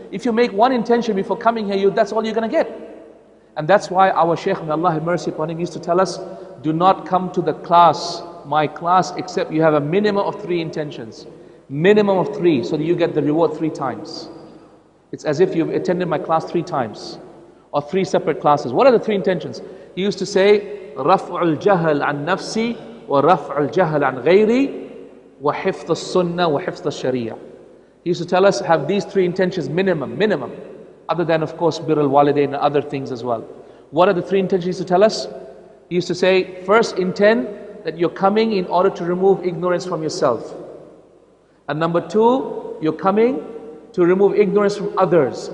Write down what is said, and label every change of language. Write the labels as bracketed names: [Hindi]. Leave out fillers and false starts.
[English] If you make one intention before coming here, that's all you're going to get. And that's why our Shaykh, may Allah have mercy upon him, used to tell us, do not come to the class, my class, except you have a minimum of three intentions. Minimum of three, so that you get the reward three times. It's as if you've attended my class three times, or three separate classes. What are the three intentions? He used to say, [Arabic] رَفْعُ الْجَهَلَ عَنْ نَفْسِي وَرَفْعُ الْجَهَلَ عَنْ غَيْرِي وَحِفْظُ السُّنَّةِ وَحِفْظُ الشَّرِيَةِ. [English] He used to tell us, have these three intentions minimum. Other than, of course, birr al-walidain and other things as well. What are the three intentions he used to tell us? He used to say, first intend that you're coming in order to remove ignorance from yourself. And number two, you're coming to remove ignorance from others.